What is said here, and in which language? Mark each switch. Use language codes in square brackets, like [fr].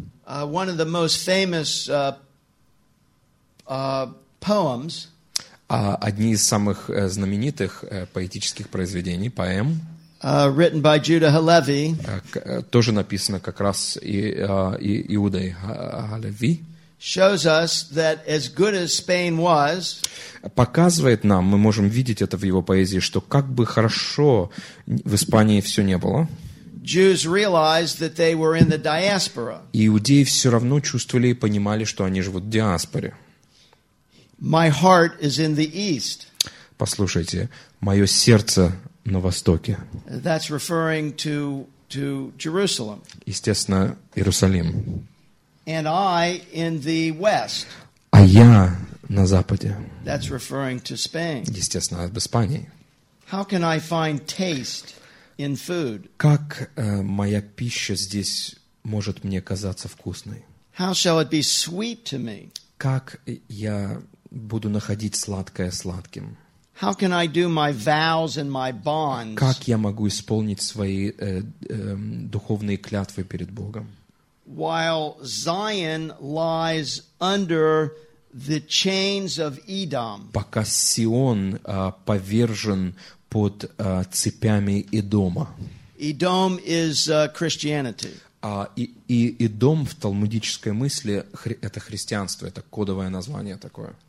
[en] One of the most famous poems. [ru] Одни из самых знаменитых поэтических произведений, поэм. [en] Written by Judah Halevi. [ru] Тоже написано как раз Иудой Халеви. [en] Shows us that as good as Spain was, [ru] показывает нам, мы можем видеть это в его поэзии, что как бы хорошо в Испании все не было, [en] Jews realized that they were in the diaspora. [ru] Иудеи все равно чувствовали и понимали, что они живут в диаспоре. [en] My heart is in the east. [ru] Послушайте, мое сердце на востоке. [en] That's referring to Jerusalem. [ru] Естественно, Иерусалим. [en] And I in the west. [ru] А я на западе. [en] That's referring to Spain. [ru] Естественно, об Испании. [en] How can I find taste in food? [ru] Как моя пища здесь может мне казаться вкусной? [en] How shall it be sweet to me? [ru] Как я буду находить сладкое сладким? [en] How can I do my vows and my bonds? [ru] Как я могу исполнить свои духовные клятвы перед Богом? [en] While Zion lies under the chains of Edom. [ru] Пока Сион повержен под цепями Эдома. [en] Edom is Christianity. [ru] Эдом в талмудической мысли это христианство, это кодовое название такое.